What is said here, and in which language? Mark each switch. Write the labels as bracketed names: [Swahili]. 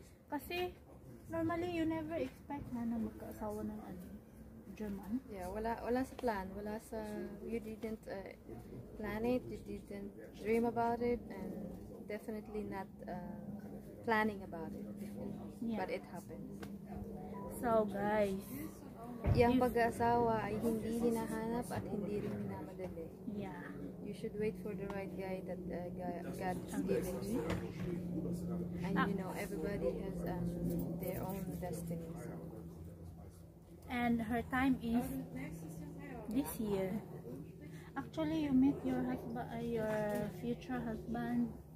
[Filipino] Kasi [English] normally you never expect [Filipino] na magkaasawa ng ano, German. [English] Yeah, [Filipino] wala sa [English] plan, wala sa, you didn't plan it, you didn't dream about it, and definitely not planning about it before. Yeah. But it happens. So guys, [Filipino] yung pag-aasawa ay hindi hinahanap at hindi rin namadali. [English] Yeah. You should wait for the right guy that God has given you. And you know, everybody has their own destiny. So. And her time is this year. Actually, you met your husband, your future husband.